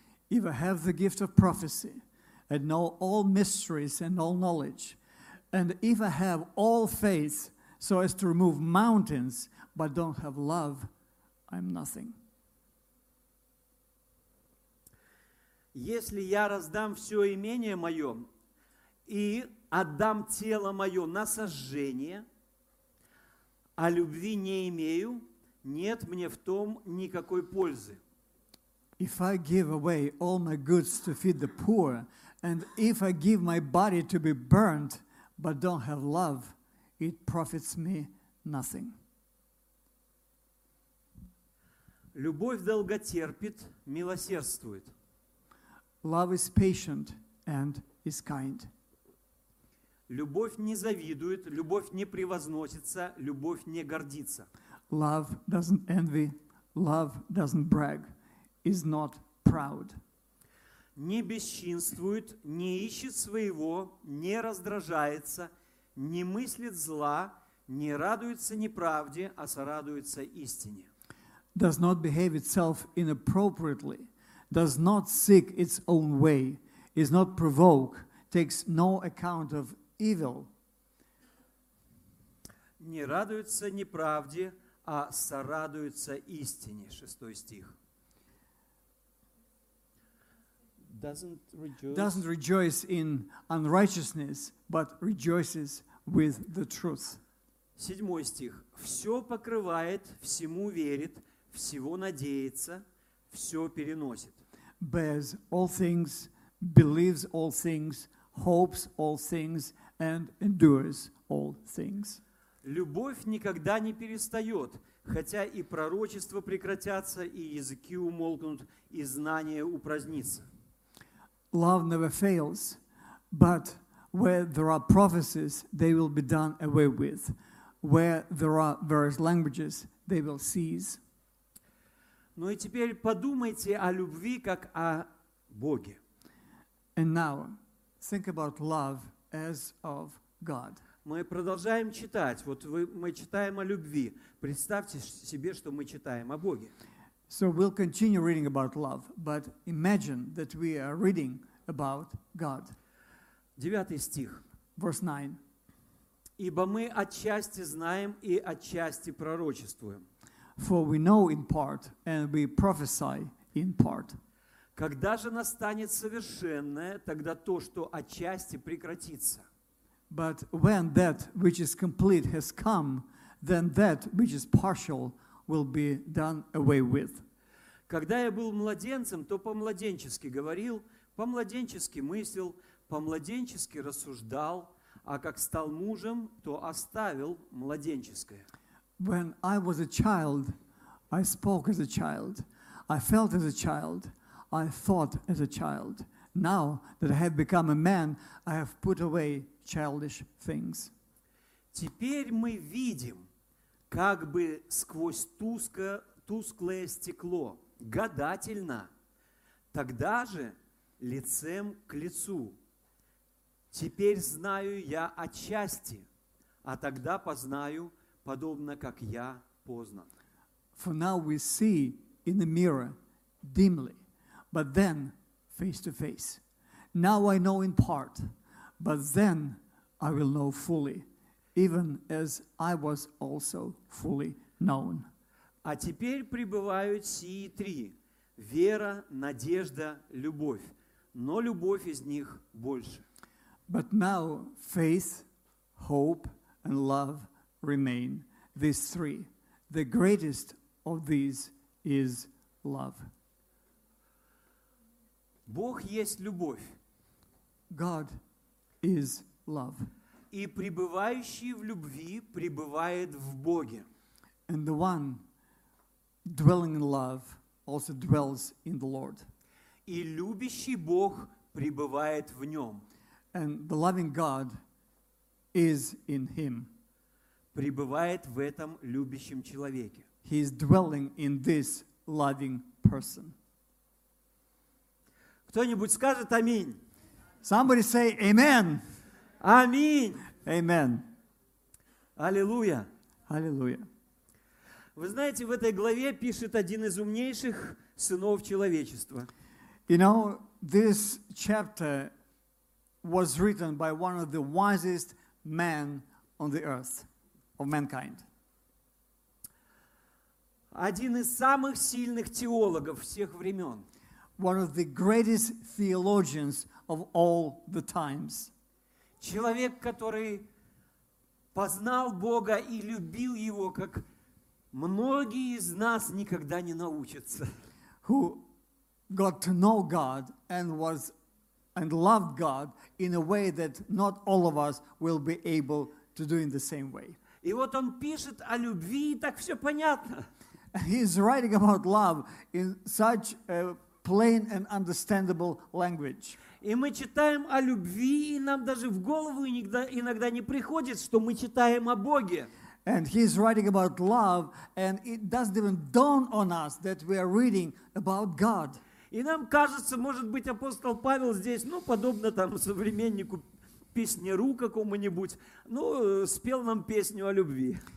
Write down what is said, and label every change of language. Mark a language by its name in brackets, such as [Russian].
[English] If I have the gift of prophecy, and know all mysteries and all knowledge, and if I have all faith so as to remove mountains, but don't have love, I'm nothing. [Russian] Если я раздам все имение мое и отдам тело мое на сожжение, а любви не имею, нет мне в том никакой пользы. [English] If I give away all my goods to feed the poor, and if I give my body to be burnt, but don't have love, it profits me nothing. [Russian] Любовь долготерпит, милосердствует. [English] Love is patient and is kind. [Russian] Любовь не завидует, любовь не превозносится, любовь не гордится. [English] Love doesn't envy, love doesn't brag, is not proud. [Russian] Не бесчинствует, не ищет своего, не раздражается, не мыслит зла, не радуется неправде, а сорадуется истине. [English] Does not behave itself inappropriately, does not seek its own way, is not provoked, takes no account of evil. [Russian] Не радуется неправде, а сорадуется истине. 6 стих. [English] Doesn't rejoice in unrighteousness, but rejoices with the truth. [Russian] 7 стих. Все покрывает, всему верит, всего надеется, все переносит. [English] Bears all things, believes all things, hopes all things, and endures all things. [Russian] Любовь никогда не перестает, хотя и пророчества прекратятся, и языки умолкнут, и знание упразднится. [English] Love never fails, but where there are prophecies, they will be done away with. Where there are various languages, they will cease. [Russian] Ну и теперь подумайте о любви как о Боге. [English] And now, think about love as of God. [Russian] Мы продолжаем читать. Вот мы читаем о любви. Представьте себе, что мы читаем о Боге. [English] So we'll continue reading about love, but imagine that we are reading about God. [Russian] 9 стих. [English] Verse 9. [Russian] Ибо мы отчасти знаем и отчасти пророчествуем. [English] For we know in part and we prophesy in part. [Russian] Когда же настанет совершенное, тогда то, что отчасти прекратится. [English] But when that which is complete has come, then that which is partial will be done away with. [Russian] Когда я был младенцем, то по-младенчески говорил, по-младенчески мыслил, по-младенчески рассуждал, а как стал мужем, то оставил младенческое. [English] When I was a child, I spoke as a child, I felt as a child, I thought as a child. Now that I have become a man, I have put away childish things. [Russian] Теперь мы видим, как бы сквозь тусклое стекло, гадательно, тогда же лицем к лицу. Теперь знаю я отчасти, а тогда познаю, подобно как я познан. [English] For now we see in the mirror dimly, but then face to face. Now I know in part, but then I will know fully, even as I was also fully known. [Russian] А теперь пребывают сии три: вера, надежда, любовь. Но любовь из них больше. [English] But now faith, hope, and love remain. These three. The greatest of these is love. [Russian] Бог есть любовь. [English] God is love. [Russian] И пребывающий в любви пребывает в Боге. [English] And the one dwelling in love also dwells in the Lord. [Russian] И любящий Бог пребывает в нем. [English] And the loving God is in him. [Russian] Пребывает в этом любящем человеке. [English] He is dwelling in this loving person. [Russian] Кто-нибудь скажет аминь. [English] Somebody say amen. [Russian] Аминь. [English] Amen. [Russian] Аллилуйя. Аллилуйя. Вы знаете, в этой главе пишет один из умнейших сынов человечества. [English] You know, this chapter was written by one of the wisest men on the earth, of mankind. [Russian] Один из самых сильных теологов всех времен. [English] One of the greatest theologians of all the times. [Russian] Человек, который познал Бога и любил Его, как многие из нас никогда не научатся. [English] Who got to know God and was and loved God in a way that not all of us will be able to do in the same way. [Russian] И вот он пишет о любви, и так все понятно. [English] He's writing about love in such a plain and understandable language. [Russian] И мы читаем о любви, и нам даже в голову иногда не приходит, что мы читаем о Боге. [English] And he's writing about love, and it doesn't even dawn on us that we are reading about God. [Russian] И нам кажется, может быть, апостол Павел здесь, ну, подобно там современнику песняру какому-нибудь, ну, спел нам песню о любви.